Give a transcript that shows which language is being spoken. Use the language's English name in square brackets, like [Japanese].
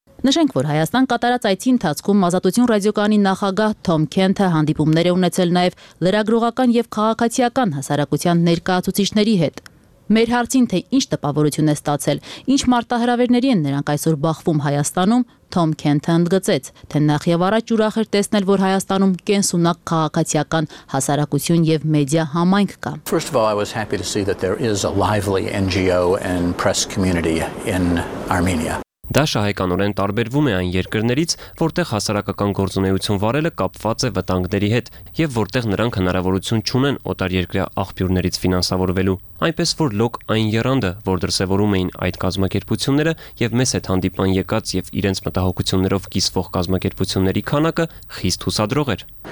[Armenian] Նշենք, որ Հայաստան կատարած այցի ընթացքում Ազատություն ռադիոկանի նախագահ Թոմ Քենթը հանդիպումներ է ունեցել նաև լրագրողական և քաղաքացիական հասարակության ներկայացուցիչների հետ։ Մեր հարցին, թե ինչ տպավորություն է ստացել, ինչ մարտահրավերների են նրանք այսօր բախվում Հայաստանում, Թոմ Քենթը ընդգծեց, թե նախ եւ առաջ ուրախ էր տեսնել, որ Հայաստանում կենսունակ քաղաքացիական հասարակություն եւ մեդիա համայնք կա։ [English] First of all, I was happy to see that there is a lively NGO and press community in Armenia. [Armenian] Դա շահեկանորեն տարբերվում է այն երկրներից, որտեղ հասարակական գործունեություն վարելը կապված է վտանգների հետ եւ որտեղ նրանք հնարավորություն չունեն օտար երկրյա աղբյուրներից ֆինանսավորվելու, այնպես որ լոկ այն երանդը, որ դրսևորում էին այդ կազմակերպությունները եւ մեզ հետ հանդիպան եկած եւ իրենց մտահոգություններով կիսվող կազմակերպությունների քանակը խիստ հուսադրող էր։